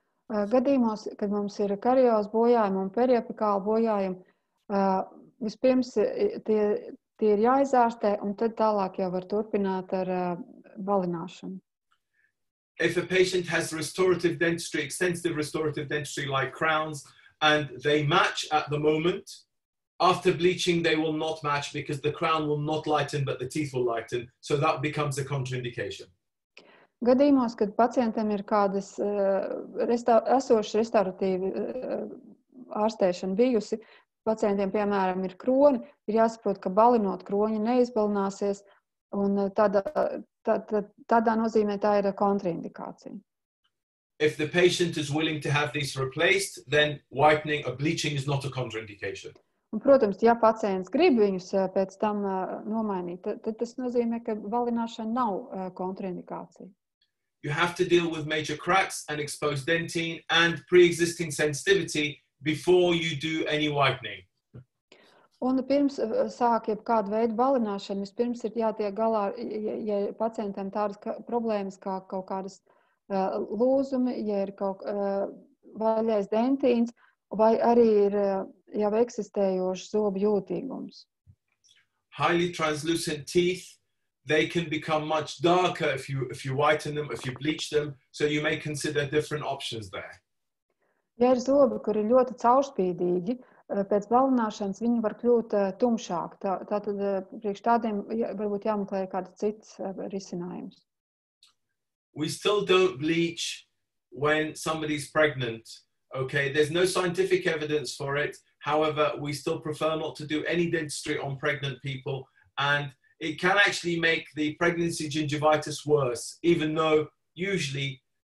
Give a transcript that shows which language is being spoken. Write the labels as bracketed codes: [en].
[lv] Gadījumos, kad mums ir karijos bojājumi un periapikāli bojājumi, vispirms tie ir jāizārstē, un tad tālāk jau var turpināt ar balināšanu. [en] If a patient has restorative dentistry, extensive restorative dentistry like crowns, and they match at the moment, after bleaching, they will not match because the crown will not lighten, but the teeth will lighten. So that becomes a contraindication. [lv] Gadījumos, kad pacientam ir kādas esošas restauratīvas ārstēšana bijusi, pacientiem, piemēram, ir kroni, ir jāsaprot, ka balinot kroņi neizbalināsies, un tādā nozīmē tā ir kontraindikācija. [en] If the patient is willing to have these replaced, then whitening or bleaching is not a contraindication. [lv] Un, protams, ja pacients grib viņus pēc tam nomainīt, tad tas nozīmē, ka balināšana nav kontraindikācija. [en] You have to deal with major cracks and exposed dentine and pre-existing sensitivity before you do any whitening. [lv] Un pirms sāk jebkādu veidu balināšanu, vispirms ir jātiek galā, ja pacientam tādas problēmas kā kaut kādas lūzumi, ja ir kaut vaļais dentīns, vai arī ir jau eksistējošs zobu jūtīgums. [en] Highly translucent teeth, they can become much darker if you whiten them, if you bleach them, so you may consider different options there. [lv] Ja ir zobi, kur ir ļoti caurspīdīgi, pēc balināšanas viņi var kļūt tumšāk. Tātad priekš tādiem varbūt jāmeklē kāds cits risinājums. [en] We still don't bleach when somebody is pregnant. Okay, there's no scientific evidence for it. However, we still prefer not to do any dentistry on pregnant people, and it can actually make the pregnancy gingivitis worse, even though usually